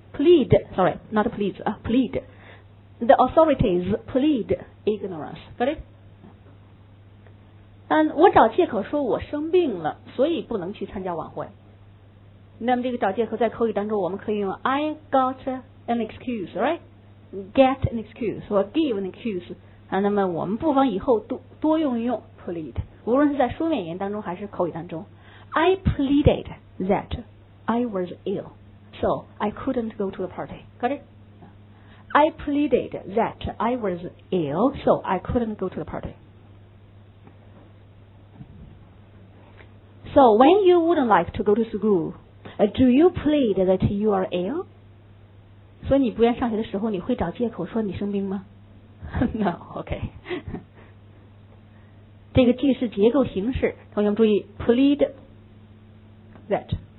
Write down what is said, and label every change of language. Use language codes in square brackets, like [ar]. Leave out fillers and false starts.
[en] Plead, sorry, not please,、plead The authorities plead ignorance, got it? [zh] 我找借口说我生病了所以不能去参加晚会那么这个找借口在口语当中我们可以用 [en] I got an excuse right? get an excuse or give an excuse、 [zh] 那么我们不妨以后 多用一用 plead 无论是在书面语言当中还是口语当中 [en] I pleaded that I was ill so I couldn't go to the party got it? I pleaded that I was ill so I couldn't go to the partySo when you wouldn't like to go to school, do you plead that you are ill? [zh] 所以你不愿上学的时候你会找借口说你生病吗 [en] No, okay. [zh] 这个句式结构形式同学们注意 plead that.